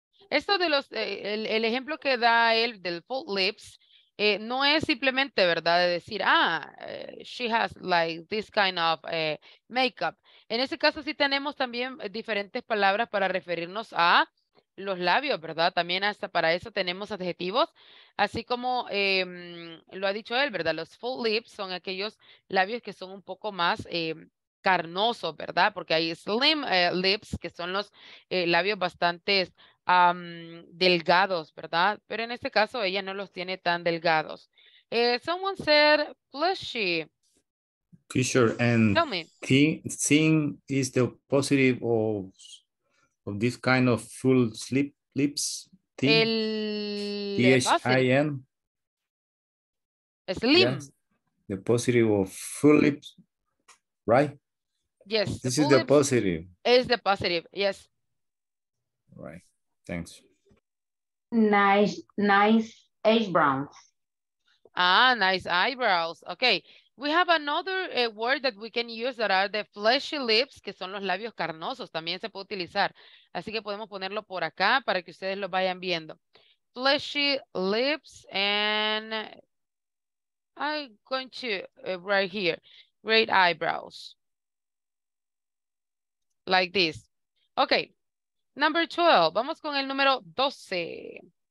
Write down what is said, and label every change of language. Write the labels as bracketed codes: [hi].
[es] Esto de los, el ejemplo que da él del full lips, no es simplemente, ¿verdad? De decir, [en] she has like this kind of makeup. [es] En ese caso, sí tenemos también diferentes palabras para referirnos a los labios, ¿verdad? También hasta para eso tenemos adjetivos, así como lo ha dicho él, ¿verdad? Los full lips son aquellos labios que son un poco más carnosos, ¿verdad? Porque hay slim lips, que son los labios bastante delgados, ¿verdad? Pero en este caso ella no los tiene tan delgados. [en] Someone said fleshy. Fisher, and tell me. Thing is the positive of this kind of full slip lips, T-H-I-N. Slim. Yes. The positive of full lips, right? Yes. This is the positive. It's the positive, yes. Right, thanks. Nice eyebrows. Ah, nice eyebrows. Okay. We have another word that we can use that are the fleshy lips, [es] que son los labios carnosos. También se puede utilizar. Así que podemos ponerlo por acá para que ustedes lo vayan viendo. [en] Fleshy lips and I'm going to, right here, great eyebrows. Like this. Okay. Number 12. [es] Vamos con el número 12.